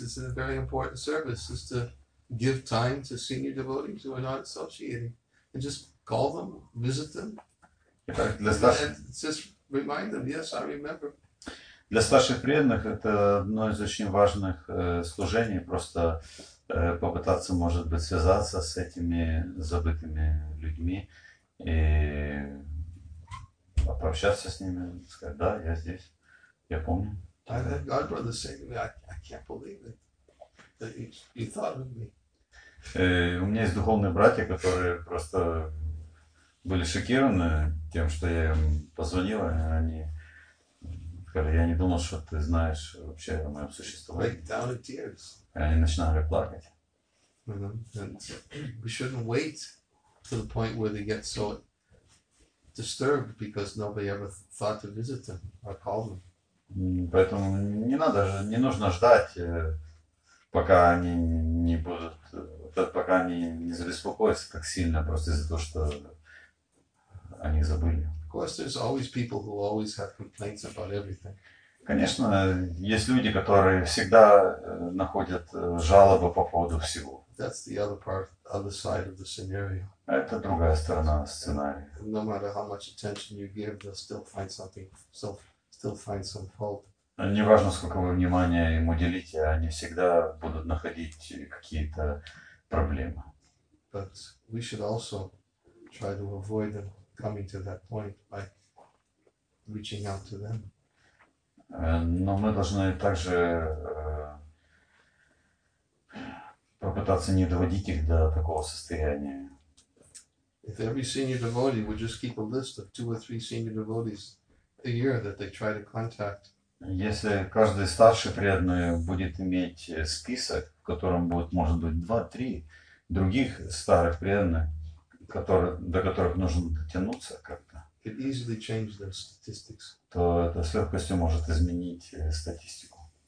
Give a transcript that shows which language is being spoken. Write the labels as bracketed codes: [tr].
[en] It's a very important service, is to give time to senior devotees who are not associating and just call them, visit them, and just remind them. Yes, I remember. [ru] Для старших преданных это одно из очень важных служений. Просто попытаться, может быть, связаться с этими забытыми людьми и пообщаться с ними, сказать, да, я здесь, я помню. [en] I've had God brothers say to me, I can't believe it, that you thought of me. [ru] У меня есть духовные братья, которые просто были шокированы тем, что я им позвонил, и они сказали, я не думал, что ты знаешь вообще о моем существовании. [en] Like down in tears. [ru] И они начинали плакать. Mm-hmm. [en] And we shouldn't wait to the point where they get so disturbed because nobody ever thought to visit them or call them. [ru] Поэтому не нужно ждать, пока они не будут, пока они не забеспокоятся так сильно просто из-за того, что они забыли. [en] Of course, there's always people who always have complaints about everything. [ru] Конечно, есть люди, которые всегда находят жалобы по поводу всего. [en] That's the other side of the scenario. [ru] Это другая сторона сценария. [en] No matter how much attention you give, they'll still find some fault. [ru] Не важно, сколько вы внимания им уделите, они всегда будут находить какие-то проблемы. [en] But we should also try to avoid them coming to that point by reaching out to them. [ru] Но мы должны также попытаться не доводить их до такого состояния. [en] If every senior devotee would just keep a list of two or three senior devotees a year that they try to contact. [ru] Если каждый старший преданный будет иметь список, в котором будет, может быть, 2-3 других старых преданных, до которых нужно дотянуться как-то, [en] it easily changes their statistics. [ru] То это с легкостью может изменить статистику.